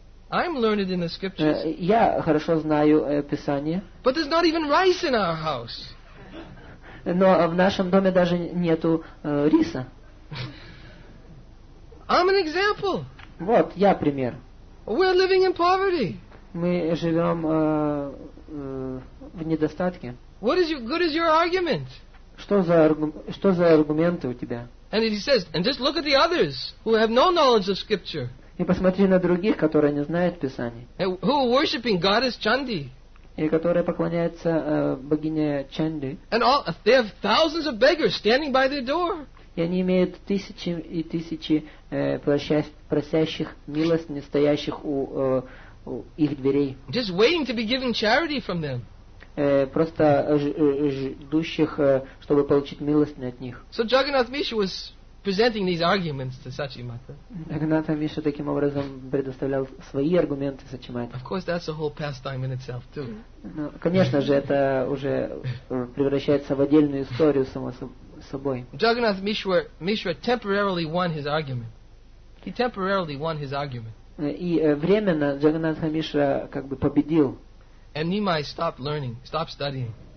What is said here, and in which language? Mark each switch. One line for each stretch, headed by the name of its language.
English: I'm learned in the scriptures.
Russian: Я хорошо знаю Писание.
English: But there's not even rice in our house.
Russian: Но в нашем доме даже нету риса.
English: I'm an example.
Russian: Вот, я пример.
English: We're living in poverty.
Russian: Мы живем в недостатке.
English: What is your argument?
Russian: Что за аргументы у тебя?
English: And he says, and just look at the others who have no knowledge of scripture.
Russian: И посмотри на других, которые не знают Писания.
English: And who are worshiping goddess Chandi.
Russian: И которые поклоняются богине Чанди.
English: And all, they have thousands of beggars standing by their door.
Russian: И они имеют тысячи и тысячи просящих милостыни, стоящих у их дверей.
English: Just waiting to be given charity from them.
Russian: Просто ждущих, чтобы получить милостыню от них.
English: So Jagannath Mishra was presenting these arguments to Sachimata.
Russian: Jagannath Mishra таким образом предоставлял свои аргументы Сачимате.
English: Of course, that's a whole pastime in itself too.
Russian: Ну, конечно же, это уже превращается в отдельную историю само собой.
English: Jagannath Mishra temporarily won his argument. He temporarily won his argument.
Russian: И временно Jagannath Mishra как бы победил.
English: And Nimai stopped learning, stopped studying.